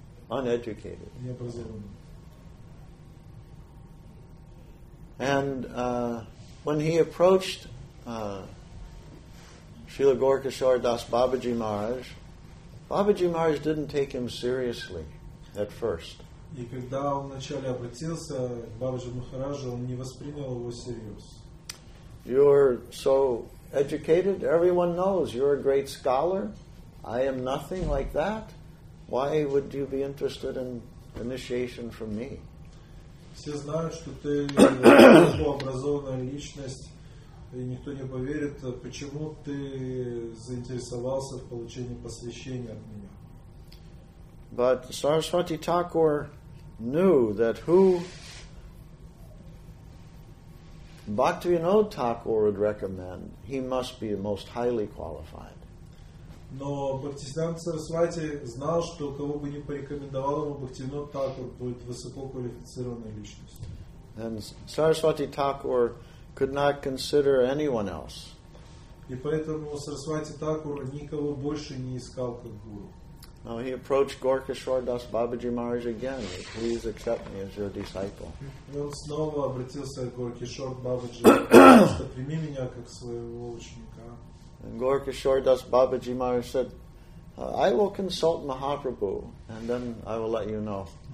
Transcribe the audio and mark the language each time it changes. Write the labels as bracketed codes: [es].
[en] Uneducated. And when he approached Srila Gaurakishore Das Babaji Maharaj, Babaji Maharaj didn't take him seriously at first. [ru] И когда он вначале обратился к Бабаджи Махараджу, он не воспринял его всерьез. [en] You're so educated, everyone knows you're a great scholar. I am nothing like that. Why would you be interested in initiation from me? [ru] Все знают, что ты образованная личность, и никто не поверит, почему ты заинтересовался в получении посвящения от меня. [en] But Saraswati Thakur knew that who Bhaktivinoda Thakur would recommend, he must be most highly qualified. [ru] Но Бхактисиддханта Сарасвати знал, что кого бы ни порекомендовал ему Бхактивинода Такур, будет высококвалифицированной личностью. [en] And Saraswati Thakur could not consider anyone else. [ru] И поэтому Сарасвати Такур никого больше не искал как гуру. [en] Now he approached Gaurakishore Das Babaji Maharaj again, please accept me as your disciple. [ru] И он снова обратился к Гаурикишоре Бабаджи, прими меня как своего ученика. [en] And Gaurakishore Das Babaji Maharaj said, I will consult Mahaprabhu and then I will let you know.